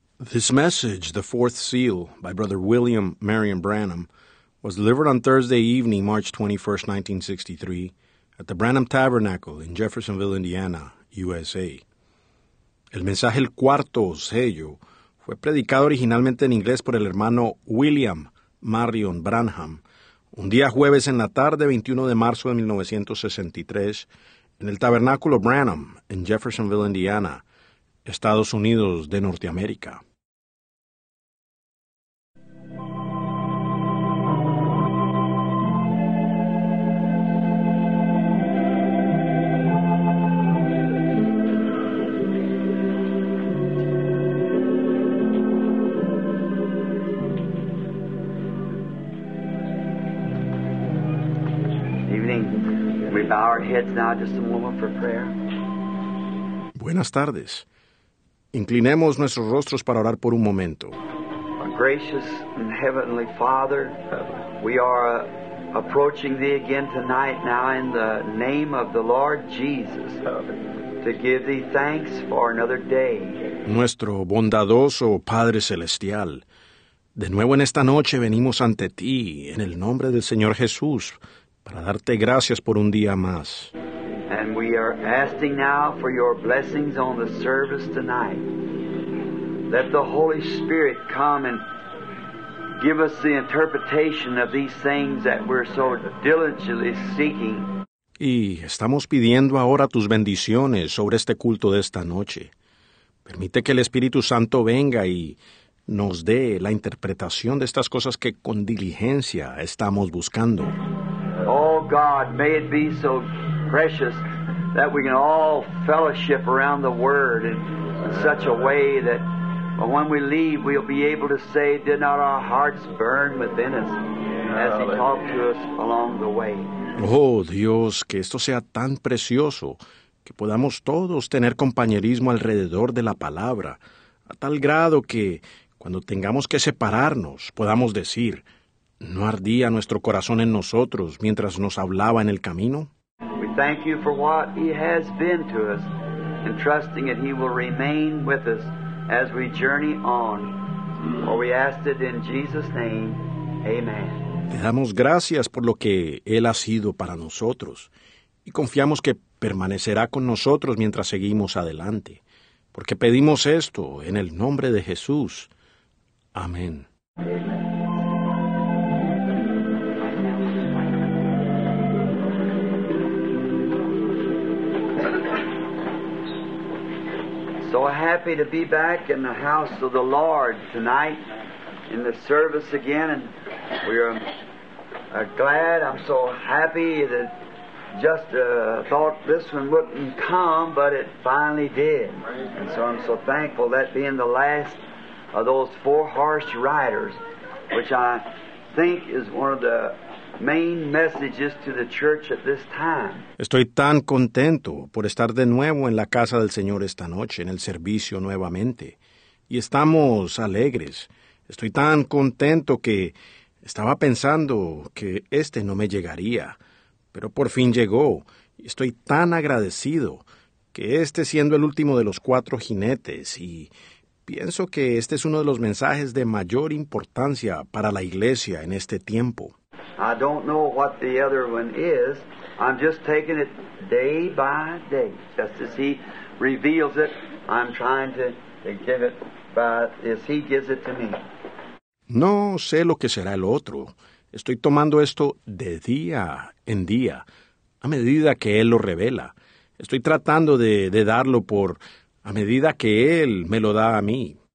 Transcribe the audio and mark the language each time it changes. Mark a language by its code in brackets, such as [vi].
[en] This message, The Fourth Seal, by Brother William Marion Branham, was delivered on Thursday evening, March 21, 1963, at the Branham Tabernacle in Jeffersonville, Indiana, USA. [es] El mensaje El Cuarto Sello fue predicado originalmente en inglés por el hermano William Marion Branham, un día jueves en la tarde, 21 de marzo de 1963, en el Tabernáculo Branham, en Jeffersonville, Indiana, Estados Unidos de Norteamérica. [en] Evening. We bow our heads now, just a moment for prayer. [es] Buenas tardes. Inclinemos nuestros rostros para orar por un momento. [en] Gracious and heavenly Father, we are approaching Thee again tonight now in the name of the Lord Jesus to give Thee thanks for another day. [es] Nuestro bondadoso Padre Celestial, de nuevo en esta noche venimos ante Ti en el nombre del Señor Jesús para darte gracias por un día más. [en] And we are asking now for your blessings on the service tonight. Let the Holy Spirit come and give us the interpretation of these things that we're so diligently seeking. [es] Y estamos pidiendo ahora tus bendiciones sobre este culto de esta noche. Permite que el Espíritu Santo venga y nos dé la interpretación de estas cosas que con diligencia estamos buscando. [en] Oh God, may it be so precious that we can all fellowship around the Word in such a way that when we leave we'll be able to say, did not our hearts burn within us as He talked to us along the way. [es] Oh Dios, que esto sea tan precioso que podamos todos tener compañerismo alrededor de la palabra a tal grado que cuando tengamos que separarnos podamos decir, ¿no ardía nuestro corazón en nosotros mientras nos hablaba en el camino? [en] We thank you for what He has been to us, and trusting that He will remain with us as we journey on. For we ask it in Jesus' name, amen. [es] Te damos gracias por lo que Él ha sido para nosotros, y confiamos que permanecerá con nosotros mientras seguimos adelante, porque pedimos esto en el nombre de Jesús. Amén. [en] So happy to be back in the house of the Lord tonight in the service again, and we are glad. I'm so happy that just thought this one wouldn't come, but it finally did. And so I'm so thankful, that being the last of those four horse riders, which I think is one of the main messages to the church at this time. [es] Estoy tan contento por estar de nuevo en la casa del Señor esta noche, en el servicio nuevamente. Y estamos alegres. Estoy tan contento que estaba pensando que este no me llegaría. Pero por fin llegó. Estoy tan agradecido que este siendo el último de los cuatro jinetes. Y pienso que este es uno de los mensajes de mayor importancia para la iglesia en este tiempo. [en] I don't know what the other one is. I'm just taking it day by day. Just as He reveals it, I'm trying to give it by as He gives it to me. [es] No sé lo que será el otro. Estoy tomando esto de día en día, a medida que Él lo revela. Estoy tratando de darlo por a medida que Él me lo da a mí.